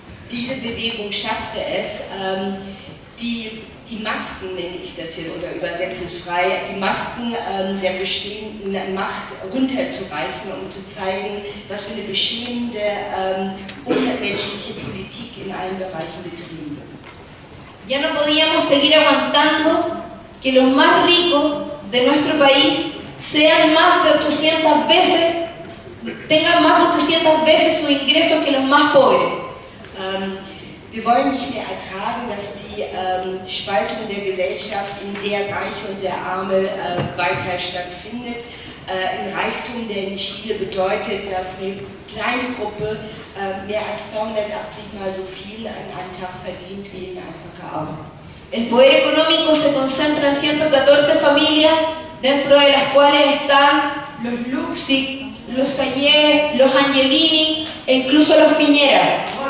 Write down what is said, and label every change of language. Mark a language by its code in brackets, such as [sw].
[de] Diese Bewegung schaffte es, die Masken, nenne ich das hier, oder übersetze es frei, die Masken der bestehenden Macht runterzureißen, um zu zeigen, was für eine beschämende, unmenschliche Politik in allen Bereichen betrieben wird. [es] Ya no podíamos seguir aguantando que los más ricos de nuestro país sean más de 800 veces, tengan más de 800 veces su ingreso que los más pobres. [de] Wir wollen nicht mehr ertragen, dass die Spaltung der Gesellschaft in sehr Reiche und sehr Arme weiter stattfindet. Ein Reichtum, der in Chile bedeutet, dass eine kleine Gruppe mehr als 280 Mal so viel an einem Tag verdient wie in einfacher Arbeit. [es] El poder económico se concentra en 114 familias, dentro de las cuales están los Luxig, los Ayer, los Angelini e incluso los Piñera.